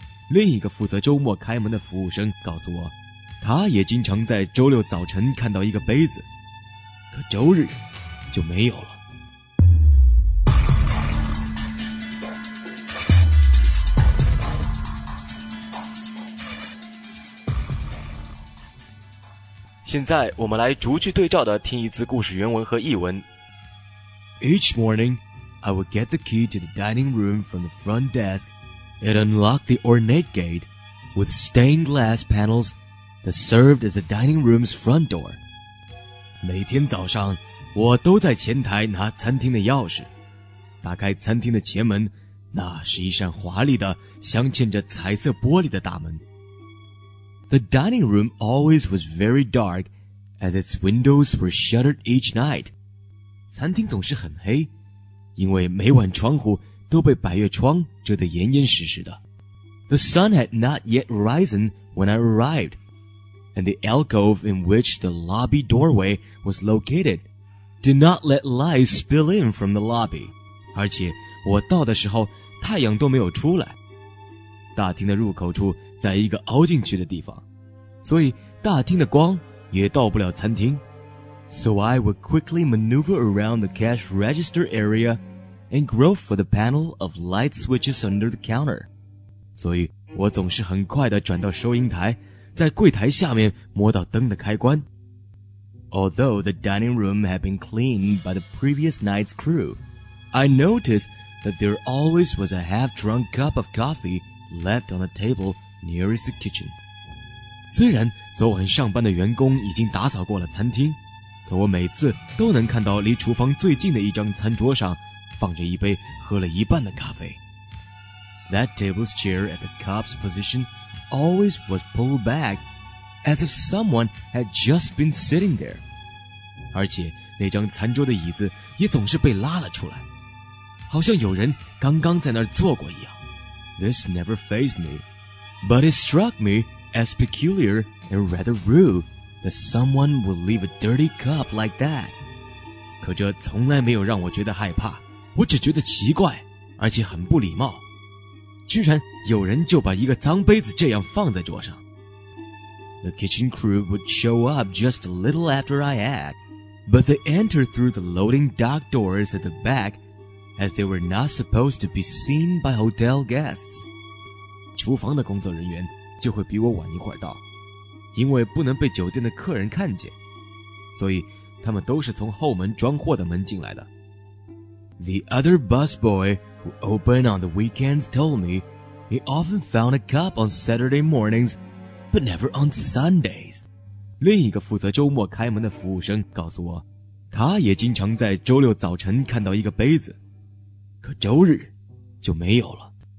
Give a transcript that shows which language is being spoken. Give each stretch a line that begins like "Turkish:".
Chinese: 另一个负责周末开门的服务生告诉我，他也经常在周六早晨看到一个杯子，可周日就没有了。现在我们来逐句对照的听一次故事原文和译文。
English: Each morning, I would get the key to the dining room from the front desk and unlock the ornate gate with stained glass panels that served as the dining room's front door.
Chinese: 每天早上，我都在前台拿餐厅的钥匙，打开餐厅的前门，那是一扇华丽的、镶嵌着彩色玻璃的大门。
English: The dining room always was very dark as its windows were shuttered each night.
Chinese: 餐厅总是很黑，因为每晚窗户都被百叶窗遮得严严实实的。
English: The sun had not yet risen when I arrived, and the alcove in which the lobby doorway was located did not let light spill in from the lobby.
Chinese: 而且我到的时候，太阳都没有出来。大厅的入口处在一个凹进去的地方，所以大厅的光也到不了餐厅。
English: So I would quickly maneuver around the cash register area and grope for the panel of light switches under the counter.
Chinese: 所以我总是很快地转到收银台，在柜台下面摸到灯的开关。
English: Although the dining room had been cleaned by the previous night's crew, I noticed that there always was a half-drunk cup of coffee left on the table nearest the kitchen.
Chinese: 虽然昨晚上班的员工已经打扫过了餐厅，可我每次都能看到离厨房最近的一张餐桌上放着一杯喝了一半的咖啡。
English: That table's chair at the cup's position always was pulled back as if someone had just been sitting there.
Chinese: 而且那张餐桌的椅子也总是被拉了出来，好像有人刚刚在那儿坐过一样。
English: This never fazed me, but it struck me as peculiar and rather rude that someone would leave a dirty cup like that.
Chinese: 可这从来没有让我觉得害怕，我只觉得奇怪，而且很不礼貌。居然有人就把一个脏杯子这样放在桌上。
English: The kitchen crew would show up just a little after I had, but they entered through the loading dock doors at the back as they were not supposed to be seen by hotel guests.
Chinese: 厨房的工作人员就会比我晚一会儿到，因为不能被酒店的客人看见，所以他们都是从后门装货的门进来的。
English: The other busboy,who opened on the weekends told me he often found a cup on Saturday mornings but never on Sundays.
Chinese: 另一个负责周末开门的服务生告诉我，他也经常在周六早晨看到一个杯子，可周日就没有了。